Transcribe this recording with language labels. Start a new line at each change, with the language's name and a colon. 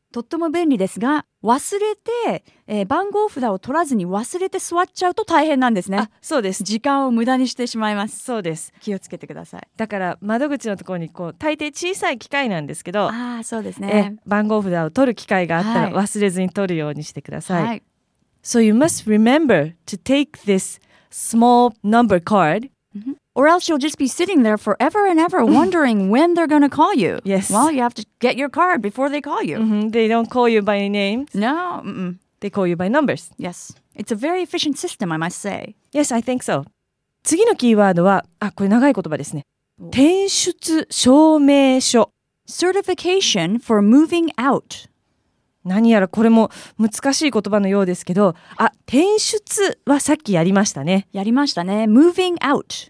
Japanese: とっても便利ですが、忘れて、番号札を取らずに忘れて座っちゃうと大変なんですね。あ、そうです。時間を無駄にしてしまいます。そうです。気をつけてください。だから窓口のところにこう大抵小さい機械なんですけど、あ、そうですね、番号札を取る機械があったら忘れずに取るようにしてください、はい、
English: So you must remember to take this small number card、 mm-hmm. Or else you'll just be sitting there forever and ever wondering when they're going to call you. Yes. Well, you have to get your card before they call you.、 Mm-hmm. They don't call you by names. No.、 Mm-mm. They call you by numbers. Yes. It's a very efficient system, I must say. Yes, I think so.
Japanese: 次のキーワードは、あ、これ長い言葉ですね。転出証明書。
English: Certification for moving out.
Japanese: 何やらこれも難しい言葉のようですけど、あ、転出はさっきやりましたね。やりましたね。
English: Moving out.